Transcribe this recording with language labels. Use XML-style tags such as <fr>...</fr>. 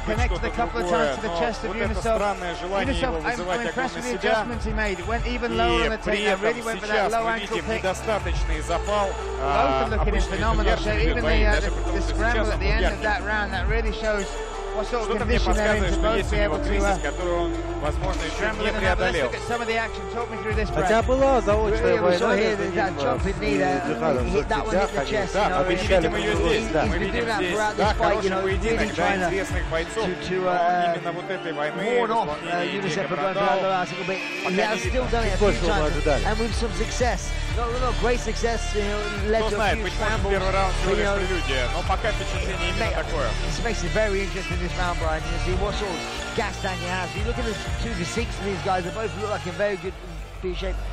<en>Connected a couple of times to the chest of Yunusov. Yunusov, I'm impressed with the adjustments he made. It went even lower on the takedown, really went for that low ankle pick. Both are looking in phenomenal shape. Even the scramble at the end of that round, that really shows</en> <ru>что-то мне подсказывает, что есть у него кризис, который он, возможно, еще не преодолел. Хотя была заочная война между ним и Джихадом. Да, мы видим ее здесь. Мы видим здесь, да, хороший поединок для известных бойцов. Но именно вот этой войны, исполнение Диего Брандао, пока не видно. Сколько мы ожидали? И с</ru> <en>some success. No, great success, you know, led to a huge scramble. This makes it very interesting, this round, Brian. You see what sort of gas tank he has. You look at the two physiques of these guys, they both look like in very good shape.</en>